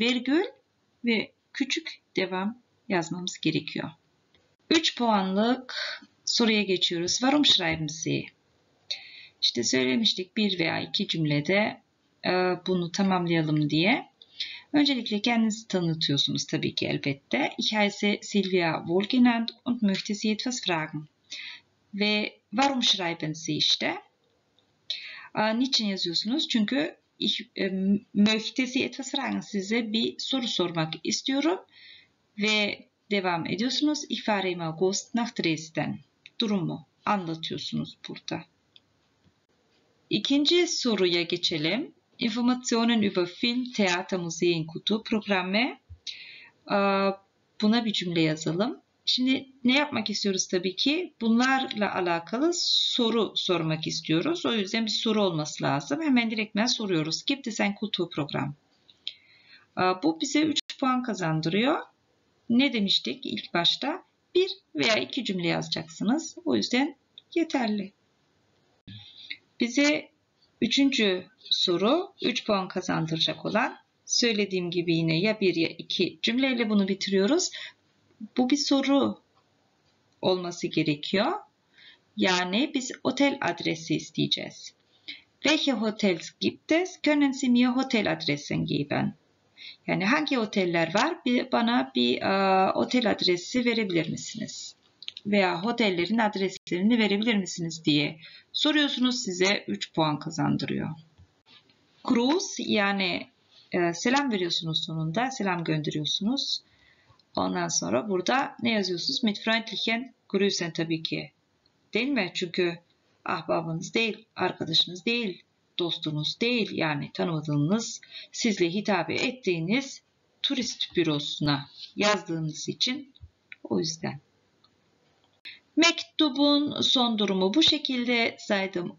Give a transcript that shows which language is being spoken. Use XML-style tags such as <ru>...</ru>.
<tr>Virgül ve küçük devam yazmamız gerekiyor. 3 puanlık soruya geçiyoruz.</tr> <de>Warum schreiben Sie?</de> <tr>İşte söylemiştik bir veya iki cümlede bunu tamamlayalım diye. Öncelikle kendinizi tanıtıyorsunuz tabii ki elbette.</tr> <de>Ich heiße Silvia Wohlgenand und möchte Sie etwas fragen.</de> <tr>Ve</tr> <de>warum schreiben Sie</de> <tr>işte? Niçin yazıyorsunuz? Çünkü</tr> <de>ich möchte Sie etwas fragen.</de> <tr>Size bir soru sormak istiyorum. Ve devam ediyorsunuz.</tr> <de>Ich fahre im August nach Dresden.</de> <tr>Durumu anlatıyorsunuz burada. İkinci soruya geçelim.</tr> <de>Informationen über Film, Theater, Museen, Kulturprogramme.</de> <tr>Buna bir cümle yazalım. Şimdi ne yapmak istiyoruz tabii ki? Bunlarla alakalı soru sormak istiyoruz. O yüzden bir soru olması lazım. Hemen direktmen soruyoruz.</tr> <de>Gibt es ein Kulturprogramm?</de> <tr>Bu bize 3 puan kazandırıyor. Ne demiştik ilk başta? Bir veya iki cümle yazacaksınız. O yüzden yeterli. Bize üçüncü soru 3 puan kazandıracak olan, söylediğim gibi yine ya bir ya iki cümleyle bunu bitiriyoruz. Bu bir soru olması gerekiyor. Yani biz otel adresi isteyeceğiz.</tr> <de>Welche Hotels gibt es? Können Sie mir Hotel Adressen geben?</de> <tr>Yani hangi oteller var? Bana bir otel adresi verebilir misiniz? Veya otellerin adreslerini verebilir misiniz diye soruyorsunuz, size 3 puan kazandırıyor. Cruise yani selam veriyorsunuz sonunda, selam gönderiyorsunuz. Ondan sonra burada ne yazıyorsunuz?</tr> <de>Mit freundlichen Grüßen</de> <tr>tabii ki. Değil mi? Çünkü ahbabınız değil, arkadaşınız değil, dostunuz değil, yani tanımadığınız, sizle hitap ettiğiniz turist bürosuna yazdığınız için o yüzden. Mektubun son durumu bu şekilde saydım.</tr>